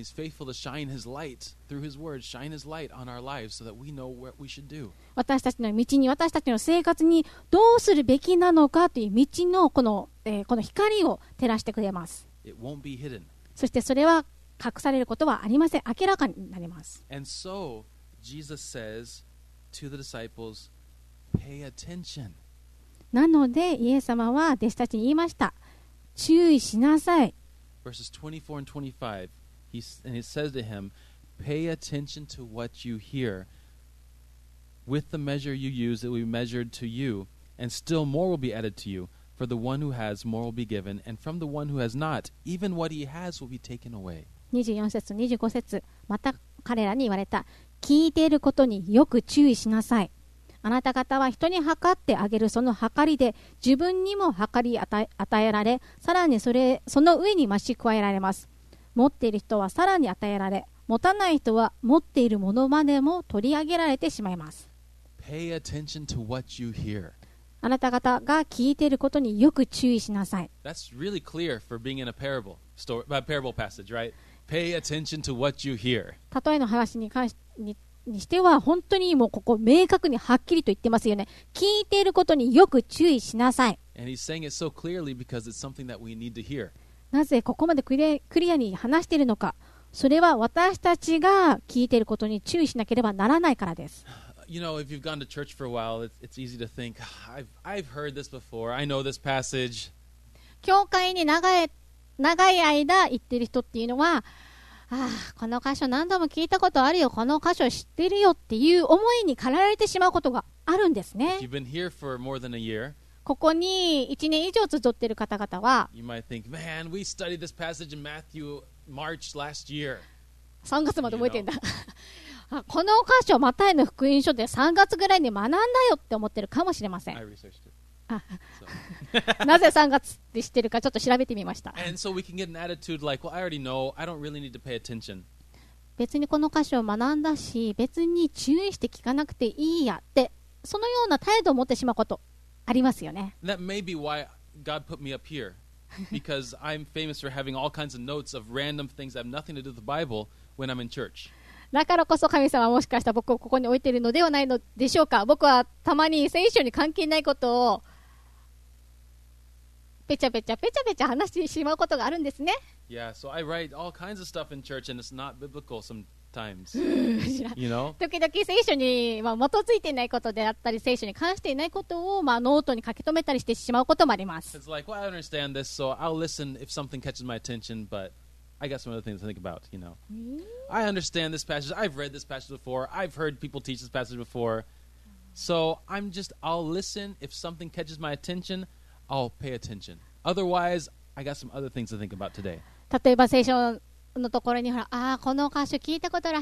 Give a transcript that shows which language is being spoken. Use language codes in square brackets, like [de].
[ja] 私たちの道に、私たちの生活にどうするべきなのかという道のこの光を照らしてくれます。 [en] It won't be hidden. [ja] そしてそれは隠されることはありません。明らかになります。 [en] And so Jesus says to the disciples, pay attention. [ja] なのでイエス様は弟子たちに言いました。注意しなさい。 [en] Verses 24 and 25, he says to him, "Pay attention to what you hear. With the measure you use, it will be measured to you, and still more will be added to you. For the one who has, more will be given, and from the one who has not, even what he has will be taken away." [ja] 24節と25節、また彼らに言われた。聞いていることによく注意しなさい。あなた方は人に測ってあげるその測りで自分にも測り与えられ、さらにその上に増し加えられます。持っている人はさらに与えられ、持たない人は持っているものまでも取り上げられてしまいます。 [en] Pay attention to what you hear. [ja] あなた方が聞いていることによく注意しなさい。 [en] That's really clear for being in a parable story, a parable passage, right? Pay attention to what you hear. [ja] 例えの話に関してにしては本当にもうここ明確にはっきりと言ってますよね。聞いていることによく注意しなさい。 [en] And he's saying it so clearly because it's something that we need to hear. [ja] なぜここまでクリアに話しているのか。それは私たちが聞いていることに注意しなければならないからです。 [en] You know, if you've gone to church for a while, it's easy to think, I've heard this before. I know this passage. [ja] 教会に長い間行ってる人っていうのは、ああこの箇所何度も聞いたことあるよ、この箇所知ってるよっていう思いに駆られてしまうことがあるんですね。 [en] You've been here for more than a year. [ja] ここに1年以上集っている方々は、 [en] You might think, man, we studied this passage in Matthew March last year. [ja] 3月まで覚えてんだ。この箇所マタイの福音書で3月ぐらいに学んだよって思ってるかもしれません。 [en] I researched it. [ja] なぜ3月って知ってるかちょっと調べてみました。 [en] And so we can get an attitude like, well, I already know. I don't really need to pay attention. [ja] 別にこの箇所を学んだし、別に注意して聞かなくていいやって、そのような態度を持ってしまうことありますよね。 [en] That may be why God put me up here. Because I'm famous for having all kinds of notes of random things that have nothing to do with the Bible when I'm in church. [ja] だからこそ神様はもしかしたら僕をここに置いているのではないのでしょうか。僕はたまに聖書に関係ないことをペチャペチャペチャペチャ話してしまうことがあるんですね。 [en] Yeah, so I write all kinds of stuff in church and it's not biblical sometimes. You know? [ja] 時々聖書に基づいていないことであったり聖書に関していないことをノートに書き留めたりしてしまうこともあります。 [en] It's like, well, I understand this, so I'll listen if something catches my attention, butI got some other things to think about, you know. I understand this passage. I've read this passage before. I've heard people teach this passage before. So I'll listen. If something catches my attention, I'll pay attention. Otherwise, I got some other things to think about today. [ja] 例えば聖書のところにほら、ああこの箇所聞いたことある。